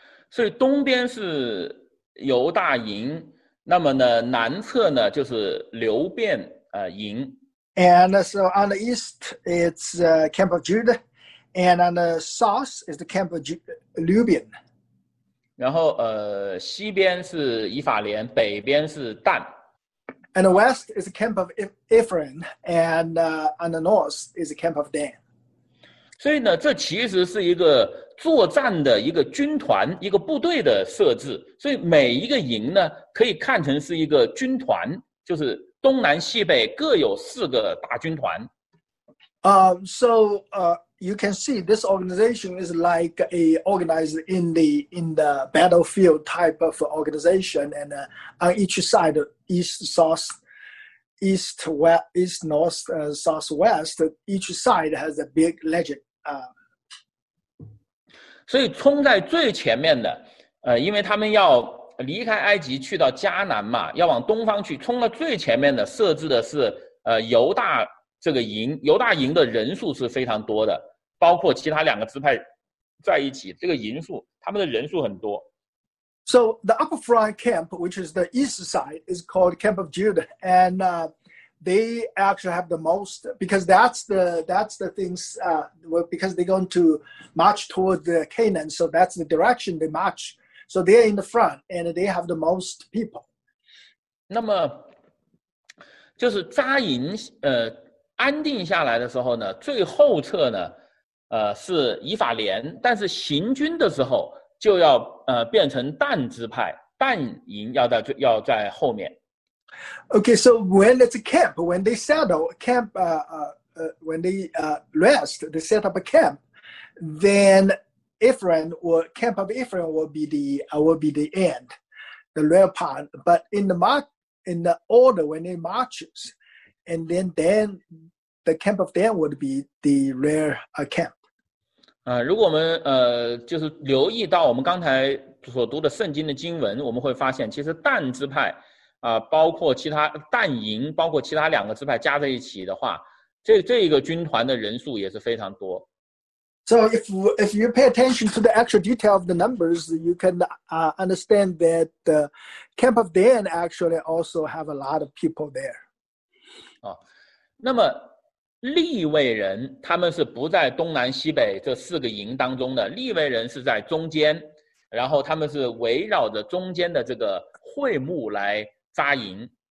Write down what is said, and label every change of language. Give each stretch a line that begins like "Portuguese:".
Chinese: 所以东边是犹大营，那么呢，南侧呢就是流便营。
English: And so on the east, it's camp of Judah, and on the south is the camp of Reuben.
Chinese: 然后西边是以法莲，北边是但。
English: And the west is the camp of Ephraim, and on the north is the camp of Dan.
Chinese: 所以呢，这其实是一个作战的一个军团、一个部队的设置。所以每一个营呢，可以看成是一个军团，就是东南西北各有四个大军团。
English: So you can see this organization is like a organized in the battlefield type of organization, and on each side. East, south, east, west, east, north, south, west. Each side has a big legend.
Chinese: 所以冲在最前面的，因为他们要离开埃及去到迦南嘛，要往东方去。冲到最前面的设置的是犹大这个营，犹大营的人数是非常多的，包括其他两个支派在一起，这个营数他们的人数很多。
English: So the upper front camp, which is the east side, is called Camp of Judah, and they actually have the most, because that's the things, because they're going to march toward the Canaan, so that's the direction they march. So they're in the front, and they have the most people.
Chinese: 那么就是扎营安定下来的时候呢，最后侧呢是以法莲，但是行军的时候就要变成但支派，但营要在后面。
English: Okay, so when it's a camp, when they settle camp, when they rest, they set up a camp, then Ephraim or camp of Ephraim will be the end, the rear part. But in the order when they marches, and then the camp of Dan would be the rear camp.
Chinese: 如果我们就是留意到我们刚才所读的圣经的经文，我们会发现其实但支派包括其他但营包括其他两个支派加在一起的话，这一个军团的人数也是非常多。
English: So if you pay attention to the actual detail of the numbers, you can understand that the camp of Dan actually also have a lot of people there.
Chinese: 那么利未人他们是不在东南西北这四个营当中的，利未人是在中间，然后他们是围绕着中间的这个会幕来扎营。